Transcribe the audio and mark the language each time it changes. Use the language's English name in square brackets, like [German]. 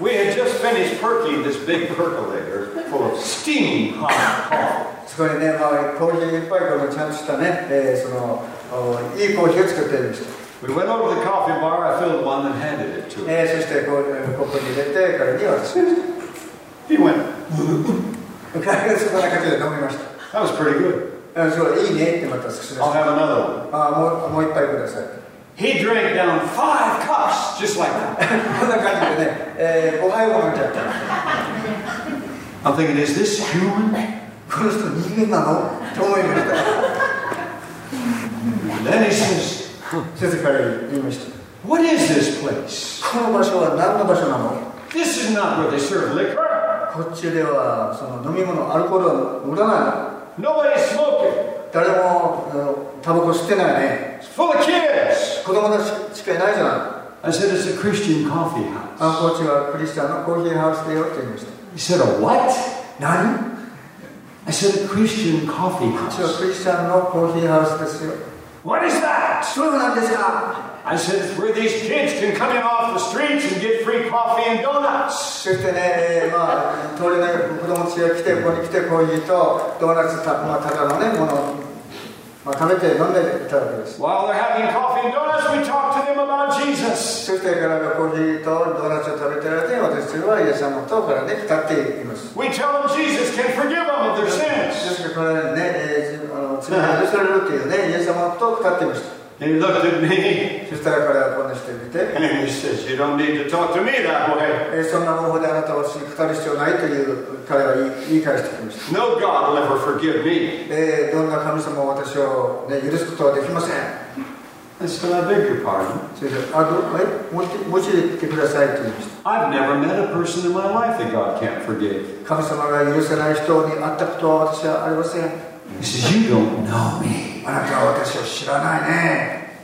[English] We had just finished perking this big percolator full of steam hot coffee. [Japanese] そこにね、まあ、コーヒーいっぱいこのちゃんとしたね、そのいいコーヒーを作ってました。 [English] We went over the coffee bar, I filled one and handed it to him. [Japanese] そしてコップに入れて、彼に渡しました。 [English] He went. [Japanese] 彼がそこな感じで飲みました。 [English] That was pretty good. [Japanese] すごいいいねってまた少しました。 [English] I'll have another one. [Japanese] もう一杯ください。 [English] He drank down 5 cups, just like that. [Japanese] こんな感じでね、おはようみたいな。 [English] I'm thinking, is this human? [Japanese] この人人間なの？と思いました。何です？先生から言いました。 [English] What is this place? [Japanese] この場所は何の場所なの [English] ？This is not where they serve liquor. [Japanese] こっちではその飲み物アルコールは売らないの。 [English] Nobody smoking. [Japanese] 誰もタバコ吸ってないね。 [English] It's full of kids. [Japanese] 子供たちしかいないじゃない。 [English] I said it's a Christian coffee house. [Japanese] こっちはクリスチャンのコーヒーハウスだよって言いました。 [English] He said a what? [Japanese] 何？ [English] I said a Christian coffee house. It's a Christian coffee house, [Japanese] ですよ. [English] What is that? [Japanese] そうなんですか? [English] I said it's where these kids can come in off the streets and get free coffee and donuts. [Japanese] そしてね、まあ、通りの子供たちが来て、ここに来てコーヒーとドーナツた、まあ、ただのね、もの、まあ、食べて飲んでいただけです。 [English] While they're having coffee and donuts, we talk to them about Jesus. [Japanese] そして彼らがコーヒーとドーナツを食べている間に、私はイエス様とからね、語っています。 [English] We tell them Jesus can forgive them of their sins. [Japanese] ですから彼らね、罪が許されるっていうね、イエス様と語っていました。 [English] He looked at me. [Japanese] そしたら彼はこんなしてみて。 [English] And he says, you don't need to talk to me that way. [Japanese] そんな方法であなたは私に語る必要ないという彼は言い返してきました。 [English] No God will ever forgive me. [Japanese] どんな神様も私を、ね、許すことはできません。 [English] And so I beg your pardon. [Japanese] そしたら、はい、もし言ってくださいと言いました。 [English] I've never met a person in my life that God can't forgive. [Japanese] 神様が許せない人に会ったことは私はありません。 [English] He says, you don't know me. [Japanese] あなたは私を知らないね。